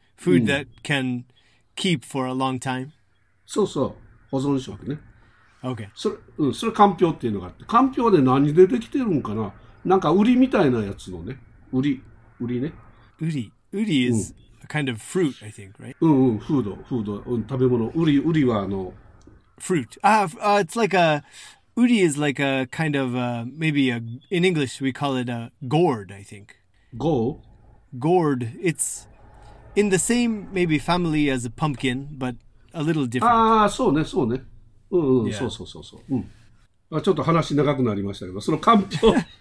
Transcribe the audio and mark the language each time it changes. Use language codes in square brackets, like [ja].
[en] Food that can keep for a long time. [ja] そうそう、保存食ね。 [en] Okay. [ja] それかんぴょうっていうのがあって、かんぴょうで何でできてるんかな。なんかウリみたいなやつのね、ウリね。 [en] ウリ is a kind of fruit, I think, right? [ja] フード、食べ物。ウリは [en] fruit. It's like a ウリ is like a kind of a, maybe a in English we call it a gourd, I think. Gourd. It's in the same maybe family as a pumpkin, but. A little different. [ja] そうね、そうね。そうそうそうそう。ちょっと話長くなりましたけど、そのかんぴょう。